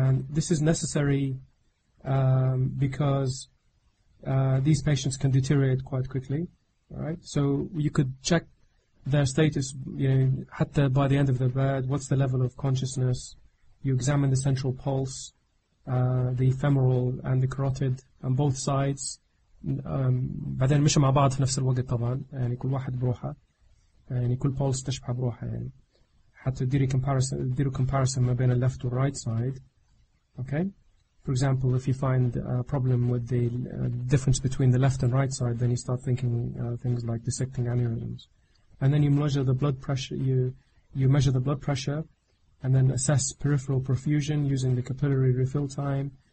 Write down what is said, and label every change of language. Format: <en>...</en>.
<en>This is necessary because these patients can deteriorate quite quickly, right? So you could check their status, you know, hatta by the end of the bed, what's the level of consciousness. You examine the central pulse, the femoral and the carotid on both sides.</en> <ar>بعدين مش مع بعض في نفس الوقت طبعا يعني كل واحد بروحه يعني كل pulse تشبه بروحه يعني حتى ديري comparison ديرو comparison ما بين</ar> <en>the left and right side. Okay, for example, if you find a problem with the difference between the left and right side, then you start thinking things like dissecting aneurysms, and then you measure the blood pressure. You measure the blood pressure, and then assess peripheral perfusion using the capillary refill time.</en>